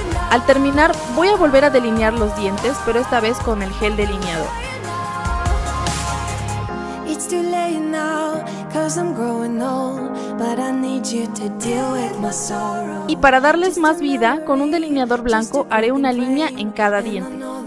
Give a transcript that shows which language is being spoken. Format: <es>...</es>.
<es>Al terminar, voy a volver a delinear los dientes, pero esta vez con el gel delineador.</es> <en>It's too late now, 'cause I'm growing old, but I need you to deal with my sorrow.</en> <es>Y para darles más vida, con un delineador blanco haré una línea en cada diente.</es>